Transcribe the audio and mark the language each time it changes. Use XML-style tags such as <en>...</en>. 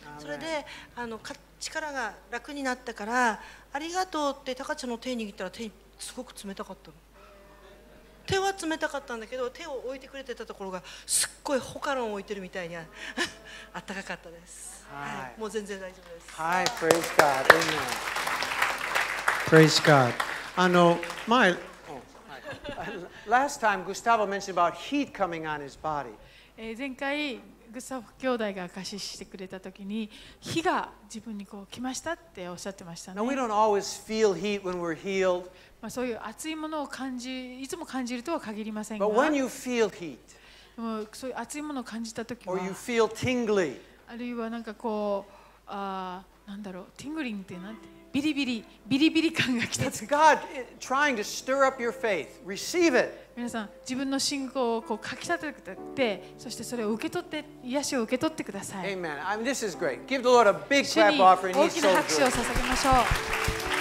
<ja>それであの力が楽になったからありがとうってタカちゃんの手握ったら手すごく冷たかったの。手は冷たかったんだけど手を置いてくれてたところがすっごいホカロンを置いてるみたいにあったかかったです、はいはい、もう全然大丈夫です。はい、</ja> <en>Praise God. Amen. Praise God.</en> <ja>あの前、</ja> <en>Last time Gustavo mentioned about heat coming on his body.</en> <ja>前回グスタフ兄弟が証ししてくれた時に火が自分にこう来ましたっておっしゃってましたね。</ja> <en>Now, we don't always feel heat when we're healed.</en> <ja>まあそういう熱いものを感じいつも感じるとは限りませんが、</ja> <en>But when you feel heat,</en> <ja>でもそういう熱いものを感じた時は</ja> <en>or you feel tingly,</en> <ja>あるいはなんかこうあなんだろう</ja> <en>tingling</en> <ja>ってなんてビリビリビリビリ感が来た。</ja> <en>It's God trying to stir up your faith. Receive it.</en> <ja>皆さん自分の信仰をこうかき立ててそしてそれを受け取って癒しを受け取ってください。</ja> <en>Amen. I mean, this is great. Give the Lord a big clap offering. He's so good.</en> <ja>主に大きな拍手を捧げましょう。</ja>